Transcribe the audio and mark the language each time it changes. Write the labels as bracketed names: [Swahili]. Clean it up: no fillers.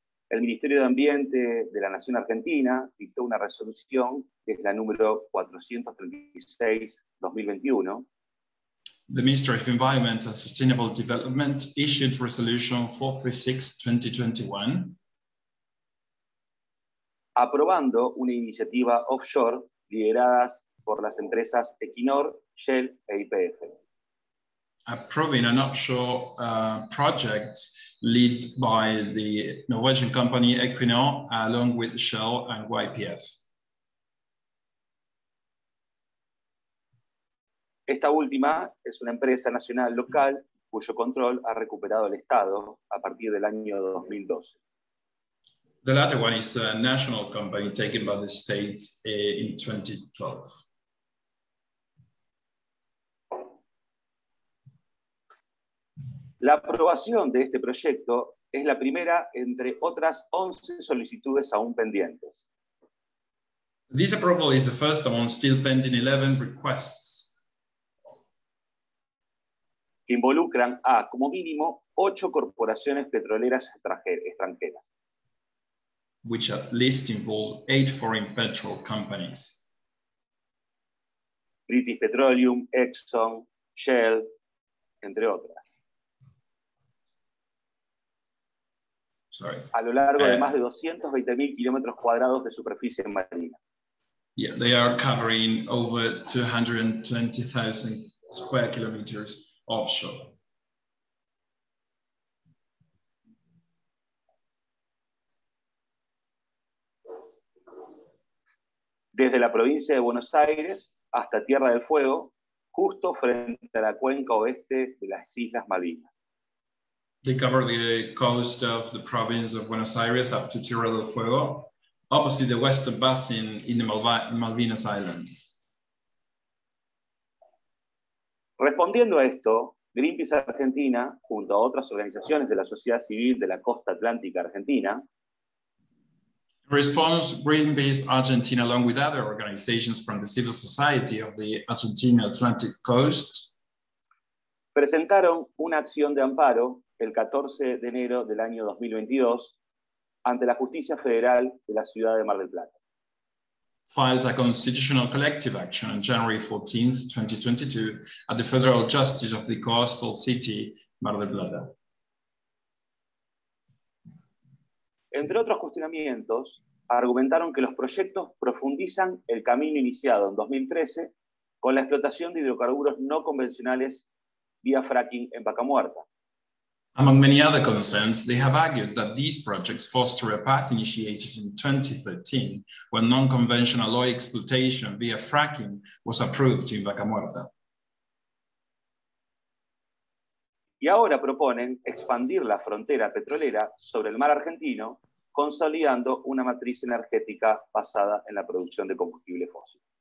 [Spanish] el Ministerio de Ambiente de la Nación Argentina dictó una resolución que es la número 436-2021. [English] The Minister of Environment and Sustainable Development issued Resolution 436-2021, [Spanish] aprobando una iniciativa offshore lideradas por las empresas Equinor, Shell e YPF. [English] Approving an offshore project led by the Norwegian company Equinor, along with Shell and YPF. [Spanish] Esta última es una empresa nacional local cuyo control ha recuperado el Estado a partir del año 2012. [English] The latter one is a national company taken by the state in 2012. [Spanish] La aprobación de este proyecto es la primera entre otras 11 solicitudes aún pendientes. [English] This approval is the first among still pending 11 requests. [Spanish] Que involucran a, como mínimo, 8 corporaciones petroleras extranjeras. [English] Which at least involve 8 foreign petrol companies. [Spanish] British Petroleum, Exxon, Shell, entre otras. [English] Sorry. [Spanish] A lo largo de más de 220.000 kilómetros cuadrados de superficie marina. [English] Yeah, they are covering over 220,000 square kilometers. Offshore. [Spanish] Desde la provincia de Buenos Aires hasta Tierra del Fuego, justo frente a la cuenca oeste de las Islas Malvinas. [English] They cover the coast of the province of Buenos Aires up to Tierra del Fuego, opposite the western basin in the Malvinas Islands. [Spanish] Respondiendo a esto, Greenpeace Argentina, junto a otras organizaciones de la sociedad civil de la costa atlántica argentina, [English] responds Greenpeace Argentina along with other organizations from the civil society of the Argentina Atlantic coast, [Spanish] presentaron una acción de amparo el 14 de enero del año 2022 ante la justicia federal de la ciudad de Mar del Plata. [English] Files a constitutional collective action on January 14th, 2022 at the Federal Justice of the Coastal City, Mar del Plata. [Spanish] Entre otros cuestionamientos, argumentaron que los proyectos profundizan el camino iniciado en 2013 con la explotación de hidrocarburos no convencionales vía fracking en Vaca Muerta. [English] Among many other concerns, they have argued that these projects foster a path initiated in 2013 when non-conventional oil exploitation via fracking was approved in Vaca Muerta. [Spanish] Y ahora proponen expandir la frontera petrolera sobre el mar argentino, consolidando una matriz energética basada en la producción de combustible fósil.